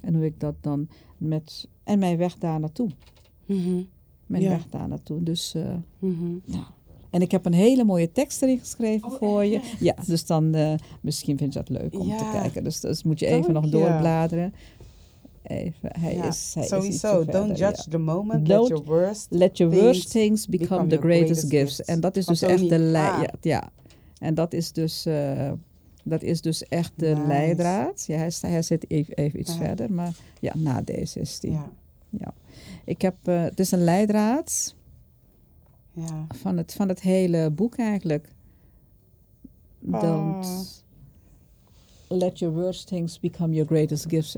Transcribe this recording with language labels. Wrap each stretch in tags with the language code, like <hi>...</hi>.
<nl>En hoe ik dat dan met, en mijn weg daar naartoe. Mm-hmm. Mijn weg daar naartoe. Dus, mm-hmm. nou. En ik heb een hele mooie tekst erin geschreven voor je. Echt? Ja, dus dan misschien vind je dat leuk om te kijken. Dus moet je even nog doorbladeren. Even,</nl> <en>Sowieso, don't judge the moment. Let your worst things become the greatest gifts.</en> <nl>En dat is dus echt de leidraad. Ja. En dat is dus echt de leidraad. Ja, hij zit even iets verder. Maar ja, na deze is die. Ja. Ja. Ik heb, het is een leidraad. Ja. Van het hele boek eigenlijk.</nl> <en>Don't let your worst things become your greatest gifts.</en>